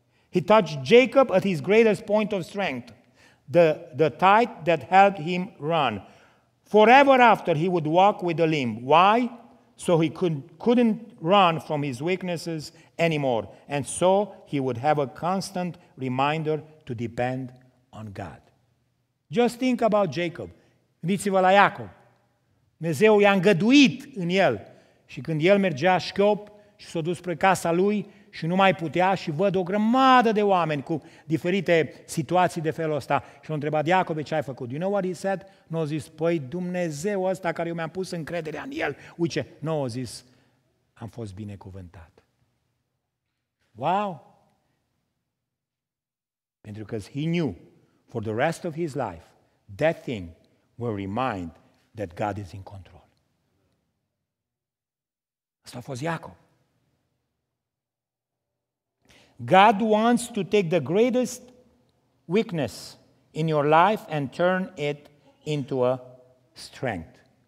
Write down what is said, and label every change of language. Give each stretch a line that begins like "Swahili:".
English: He touched Jacob at his greatest point of strength, the tight that helped him run. Forever after, he would walk with a limp. Why? so he couldn't run from his weaknesses anymore. And so he would have a constant reminder to depend on God. Just think about Jacob.
Romanian: Gândiți-vă la Iacob. Dumnezeu i-a îngăduit în el. Și când el mergea șchiop și s-a dus spre casa lui și nu mai putea și văd o grămadă de oameni cu diferite situații de felul ăsta. Și l-a întrebat, Iacob, ce ai făcut?
English: You know what he said?
Romanian: N-a zis, păi Dumnezeu ăsta care eu mi-am pus încrederea în el, uite, n-a zis, am fost binecuvântat.
English: Wow!
Romanian: Pentru că
English: he knew for the rest of his life that thing will remind that God is in control.
Romanian: Asta a fost Iacob.
English: God wants to take the greatest weakness in your life and turn it into a strength.